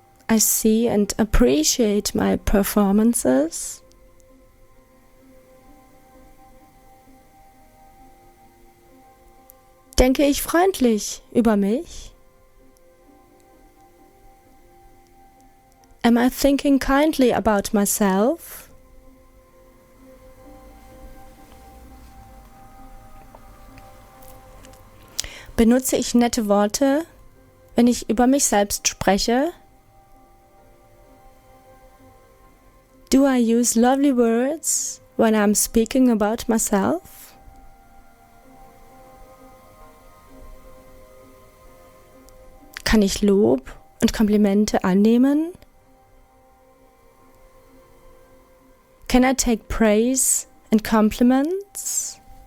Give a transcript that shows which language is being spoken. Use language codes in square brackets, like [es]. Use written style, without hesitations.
[en] I see and appreciate my performances. [de] Denke ich freundlich über mich? [en] Am I thinking kindly about myself? [de] Benutze ich nette Worte, wenn ich über mich selbst spreche? [en] Do I use lovely words when I'm speaking about myself? [de] Kann ich Lob und Komplimente annehmen? [en] Can I take praise and compliments?